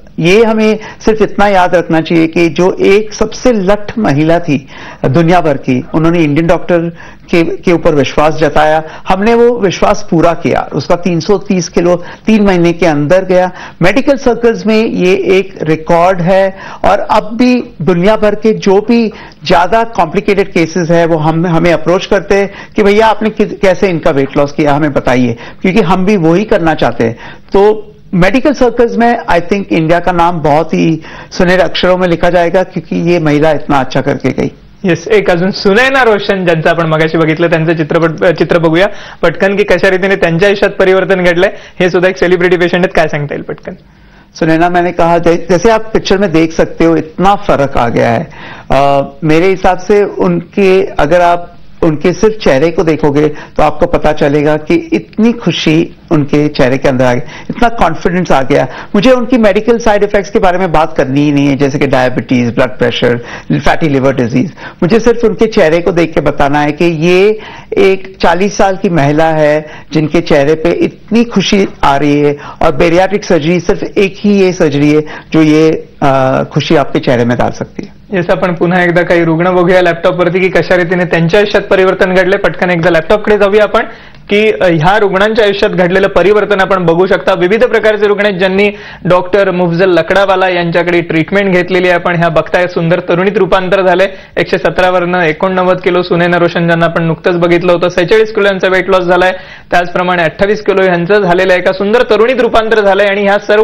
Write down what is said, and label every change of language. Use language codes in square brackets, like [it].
[hi] ये हमें सिर्फ इतना याद रखना चाहिए कि जो एक सबसे लठ महिला थी दुनिया भर की, उन्होंने इंडियन डॉक्टर के ऊपर विश्वास जताया, हमने वो विश्वास पूरा किया, उसका 330 किलो 3 महीने के अंदर गया, मेडिकल सर्कल्स में ये एक रिकॉर्ड है, और अब भी दुनिया भर के जो भी ज्यादा कॉम्प्लिकेटेड केसेस है वो हमें अप्रोच करते हैं कि भैया आपने कैसे इनका वेट लॉस किया हमें बताइए, क्योंकि हम भी वही करना चाहते हैं। तो मेडिकल सर्कल्स में [en] I think [hi] इंडिया का नाम बहुत ही सुनहरे अक्षरों में लिखा जाएगा, क्योंकि ये महिला इतना अच्छा करके गई। [mr] येस, एक अजून सुनैना रोशन ज्यांचं आपण मगाशी बघितलं त्यांचं चित्र बघूया पटकन, की कशा रीतीने त्यांच्या आयुष्यात परिवर्तन घडलंय हे सुद्धा एक सेलिब्रिटी पेशंट आहेत, काय सांगता येईल पटकन? [hi] सुनैना, मैंने कहा जैसे आप पिक्चर में देख सकते हो इतना फर्क आ गया है, मेरे हिसाब से उनके अगर आप उनके सिर्फ चेहरे को देखोगे तो आपको पता चलेगा कि इतनी खुशी उनके चेहरे के अंदर आ गई, इतना कॉन्फिडेंस आ गया। मुझे उनकी मेडिकल साइड इफेक्ट्स के बारे में बात करनी ही नहीं है, जैसे कि diabetes, blood pressure, fatty liver disease, मुझे सिर्फ उनके चेहरे को देख के बताना है कि ये एक 40 साल की महिला है जिनके चेहरे पे इतनी खुशी आ रही है, और बेरियाट्रिक सर्जरी सिर्फ एक ही ये सर्जरी है जो ये खुशी आपके चेहरे में डाल सकती है। [mr] येस, आपण पुन्हा एकदा काही रुग्ण बघूया लॅपटॉप वरती की कशा रीतीने त्यांच्या आयुष्यात परिवर्तन घडले, पटकन एकदा लॅपटॉप कडे जाऊया आपण की ह्या रुग्णांच्या आयुष्यात घडलेलं परिवर्तन आपण बघू शकता। विविध प्रकारचे रुग्ण आहेत ज्यांनी डॉक्टर मुफजल लकडावाला यांच्याकडे ट्रीटमेंट घेतलेली आहे, आपण ह्या बघताय सुंदर तरुणीत रूपांतर झालंय, 117 वरून 89 किलो सुनैना रोशन ज्यांना आपण नुकतंच बघितलं होतं, 47 किलो यांचा वेट लॉस झालाय, त्याचप्रमाणे 28 किलो यांचं झालेलं आहे, एका सुंदर तरुणीत रूपांतर झालंय, आणि ह्या